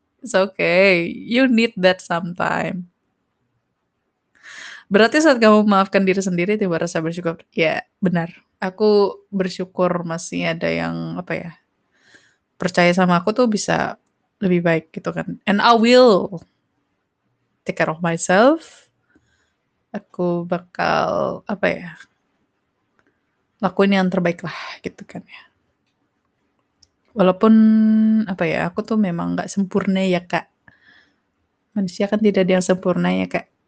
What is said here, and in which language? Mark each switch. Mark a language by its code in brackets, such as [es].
[en] It's okay, you need that sometime. [id] Berarti saat kamu memaafkan diri sendiri, tiba rasa bersyukur. Ya, benar. Aku bersyukur masih ada yang, apa ya, percaya sama aku tuh bisa lebih baik gitu kan. [en] And I will take care of myself. [id] Aku bakal, apa ya, lakuin yang terbaik lah gitu kan ya. Walaupun, apa ya, aku tuh memang gak sempurna ya, Kak. Manusia kan tidak ada yang sempurna ya, Kak.